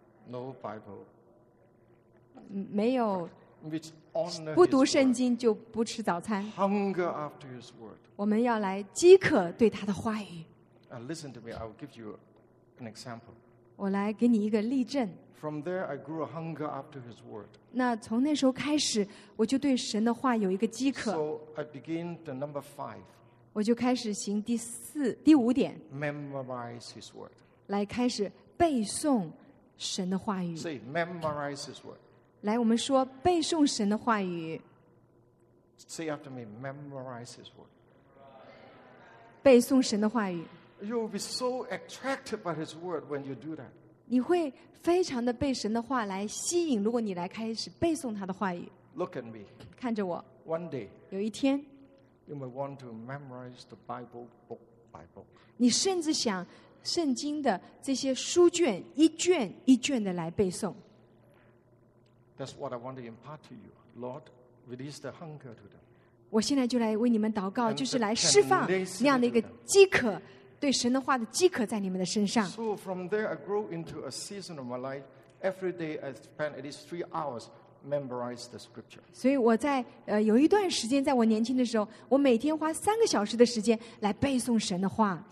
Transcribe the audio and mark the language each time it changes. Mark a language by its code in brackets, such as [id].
[en] ？No Bible. [zh] 没有。 [en] Which honor his word. [zh] 不读圣经就不吃早餐。 [en] Hunger after his word. [zh] 我们要来饥渴对他的话语。 [en] Listen to me. I will give you an example. [zh] 我来给你一个例证。 [en] From there, I grew a hunger after his word. [zh] 那从那时候开始，我就对神的话有一个饥渴。 [en] So I begin the number five. [zh] 我就开始行第五点 [en] memorize his word. [zh] 来开始背诵神的话语 [en] Say, memorize his word. [zh] 来我们说背诵神的话语 [en] Say after me, memorize his word. [zh] 背诵神的话语 [en] You will be so attracted by his word when you do that. [zh] 你会非常的被神的话来吸引如果你来开始背诵他的话语 [en] Look at me. [zh] 看着我 [en] One day. [zh] 有一天 [en] You may want to memorize the Bible book by book. [zh] 你甚至想圣经的这些书卷一卷一卷的来背诵。 [en] That's what I want to impart to you, Lord. Release the hunger to them. [zh] 我现在就来为你们祷告，就是来释放那样的一个饥渴，对神的话的饥渴在你们的身上。 [en] So from there, I grew into a season of my life. Every day, I spent at least 3 hours. Memorize the scripture. [zh] 所以我在有一段时间，在我年轻的时候，我每天花3个小时的时间来背诵神的话。